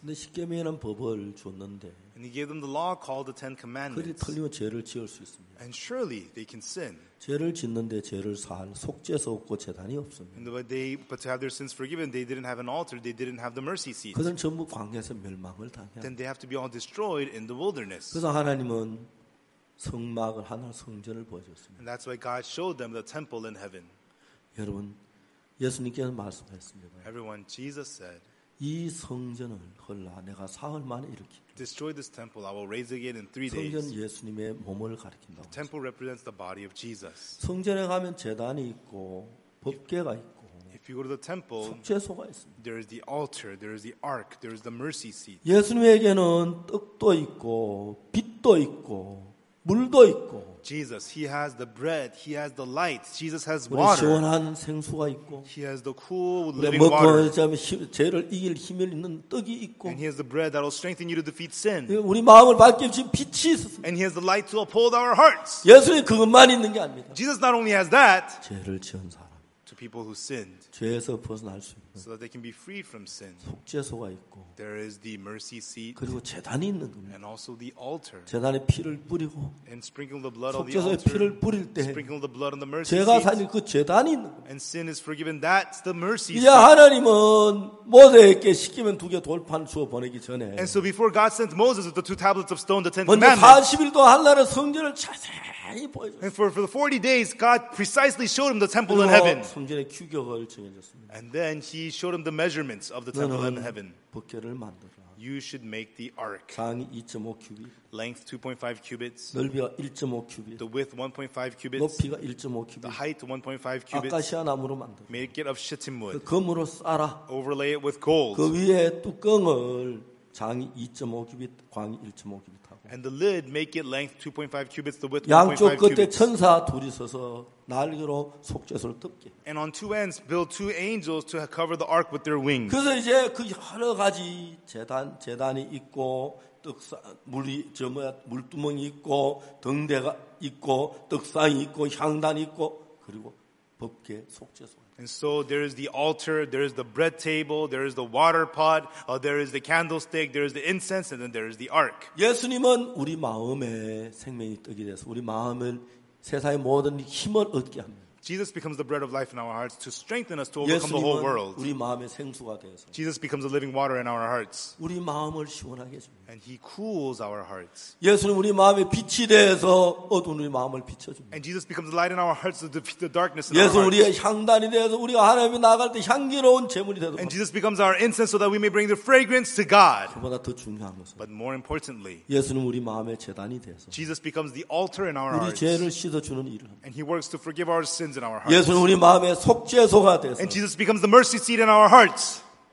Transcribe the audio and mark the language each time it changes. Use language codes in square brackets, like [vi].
[ko] 근데 십계명이라는 법을 줬는데. [en] And He gave them the law called the Ten Commandments. [ko] 그들이 틀리면 죄를 지을 수 있습니다. [en] And surely they can sin. [ko] 죄를 짓는데 죄를 사할 속죄소 없고 제단이 없습니다. [en] And but to have their sins forgiven, they didn't have an altar. They didn't have the mercy seat. [ko] 그들은 전부 광야에서 멸망을 당해. [en] Then they have to be all destroyed in the wilderness. [ko] 그래서 하나님은 성막을 하늘 성전을 보여줬습니다. [en] And that's why God showed them the temple in heaven. [ko] 여러분. 예수님께서 말씀하셨습니다. [en] Everyone, Jesus said, [ko] 이 성전을 헐라 내가 사흘 만에 이렇게 [en] destroy this temple I will raise again in 3 days. [ko] 성전 예수님의 몸을 가리킨다. [en] The temple represents the body of Jesus. [ko] 성전에 가면 제단이 있고 법궤가 있고 [en] If you go to the temple [ko] 속죄소가 있습니다. [en] There is the altar, there is the ark, there is the mercy seat. [ko] 예수님에게는 떡도 있고 빛도 있고 물도 있고 [en] Jesus, he has the bread, he has the light. Jesus has water. [ko] 우리 시원한 생수가 있고. [en] He has the cool living water. [ko] 죄를 이길 힘을 있는 떡이 있고. [en] And he has the bread that will strengthen you to defeat sin. [ko] 우리 마음을 밝힐 빛이 있습니다. [en] And he has the light to uphold our hearts. [ko] 예수님 그것만 있는 게 아닙니다. [en] Jesus not only has that. [ko] 죄를 지은 사람. [en] To people who sinned. [ko] 죄에서 벗어날 수 있는. [en] So that they can be free from sin. [ko] 속죄소가 있고. [en] There is the mercy seat. [ko] 그리고 제단이 있는 겁니다. [en] And also the altar. [ko] 제단에 피를 뿌리고. [en] And sprinkle the blood on the [ko] 속죄소에 피를 뿌릴 때. [en] Sprinkle the blood on the mercy [ko] 제가 [en] seat. [ko] 제가 살린 그 제단이 있는. [en] And sin is forgiven. That's the mercy seat. [ko] 이제 하나님은 모세에게 십계명 두 개 돌판 주어 보내기 전에. [en] And so before God sent Moses with the two tablets of stone, the Ten Commandments. [ko] 먼저 40일 동안 하나님의 성전을 자세히 보여줘. [en] And for the 40 days, God precisely showed him the temple in heaven. [ko] 성전의 규격을 정해줬습니다. [en] And then he showed him the measurements of the temple in heaven. [ko] 법궤를 만들어. [en] You should make the ark. [ko] 장이 2.5 cubits. [en] Length 2.5 cubits. [ko] 넓이가 1.5 cubits. [en] The width 1.5 cubits. [ko] 높이가 1.5 cubits. [en] The height 1.5 cubits. [ko] 아카시아 나무로 만들어. [en] Make it of shittim wood. [ko] 그 금으로 쌓아. [en] Overlay it with gold. [ko] 그 위에 뚜껑을 장이 2.5 cubits, 광이 1.5 cubits 하고. [en] And the lid make it length 2.5 cubits, the width 1.5 cubits. [ko] 양쪽 끝에 천사 둘이 서서 날개로 속죄소를 덮게. [en] And on two ends, build two angels to cover the ark with their wings. [ko] 그래서 이제 그 여러 가지 제단이 있고 떡사 물이 저 뭐야 물두멍이 있고 등대가 있고 떡상이 있고 향단이 있고 그리고 법궤 속죄소. [en] And so there is the altar, there is the bread table, there is the water pot, there is the candlestick, there is the incense, and then there is the ark. [ko] 예수님은 우리 마음의 생명이 떡이 되어서 우리 마음을 세상의 모든 힘을 얻게 합니다. [en] Jesus becomes the bread of life in our hearts to strengthen us to overcome the whole world. [ko] 우리 마음의 생수가 되어서. [en] Jesus becomes the living water in our hearts. [ko] 우리 마음을 시원하게 해줍니다. [en] And he cools our hearts. [ko] 예수님 우리 마음의 빛이 되어서 어두운 우리 마음을 비춰줍니다. [en] And Jesus becomes the light in our hearts to defeat the darkness in our hearts. [ko] 예수 우리의 향단이 되어서 우리가 하나님 나갈 때 향기로운 제물이 되도록. [en] And Jesus becomes our incense so that we may bring the fragrance to God. [ko] 그보다 더 중요한 것은. [en] But more importantly, [ko] 예수님 우리 마음의 제단이 되어서. [en] Jesus becomes the altar in our hearts. [ko] 우리 죄를 씻어주는 일을. [en] And he works to forgive our sins. [ko] 예수는 우리 마음의 속죄소가 되어서 [en] And Jesus becomes the mercy seat in our hearts.